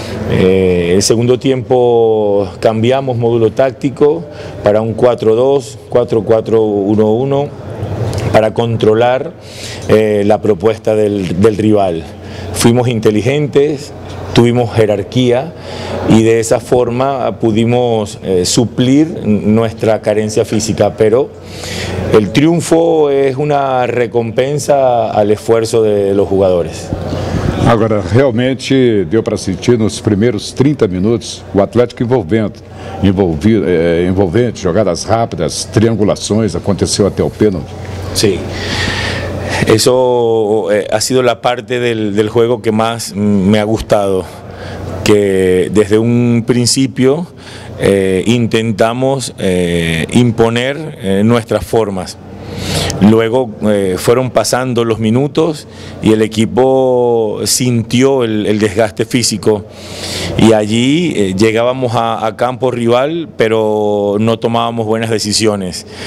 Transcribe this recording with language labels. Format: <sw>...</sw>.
<es>El segundo tiempo cambiamos módulo táctico para un 4-2, 4-4-1-1, para controlar la propuesta del rival. Fuimos inteligentes, tuvimos jerarquía y de esa forma pudimos suplir nuestra carencia física, pero el triunfo es una recompensa al esfuerzo de los jugadores.</es> <pt>Agora, realmente deu para sentir nos primeiros 30 minutos o Atlético envolvente, jogadas rápidas, triangulações, aconteceu até o pênalti. Sim.</pt> <es>Eso ha sido la parte del juego que más me ha gustado, que desde un principio intentamos imponer nuestras formas. Luego fueron pasando los minutos y el equipo sintió el desgaste físico y allí llegábamos a campo rival, pero no tomábamos buenas decisiones.</es>